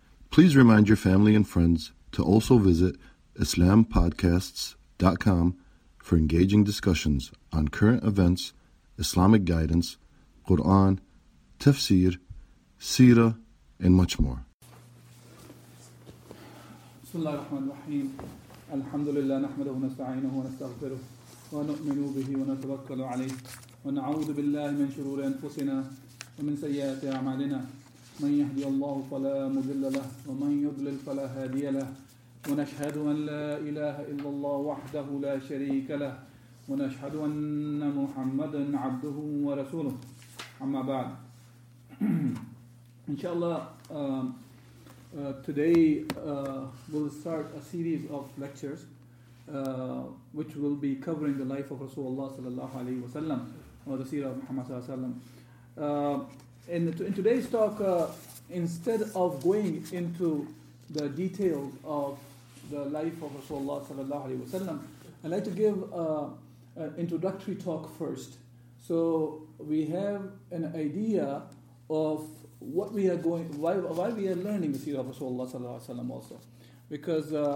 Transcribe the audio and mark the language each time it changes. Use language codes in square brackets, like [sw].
[en] Please remind your family and friends to also visit IslamPodcasts.com for engaging discussions on current events, Islamic guidance, Quran, tafsir, seerah, and much more. [ar] بسم الله الرحمن الرحيم الحمد لله نحمده ونستعينه ونستغفره ونؤمن به ونتوكل عليه ونعوذ بالله من شرور أنفسنا ومن سيئات أعمالنا من يهدي الله فلا مضل له ومن يضلل فلا هادي له ونشهد أن لا إله إلا الله وحده لا شريك له ونشهد أن محمدا عبده ورسوله أما بعد إن شاء الله [en] today we'll start a series of lectures which will be covering the life of Rasulullah sallallahu alaihi wasallam or the seerah of Muhammad sallallahu alaihi wasallam. In today's talk, instead of going into the details of the life of Rasulullah sallallahu alaihi wasallam, I'd like to give an introductory talk first, so we have an idea of what we are going, why we are learning the seerah of Rasulullah sallallahu alaihi wasallam also, because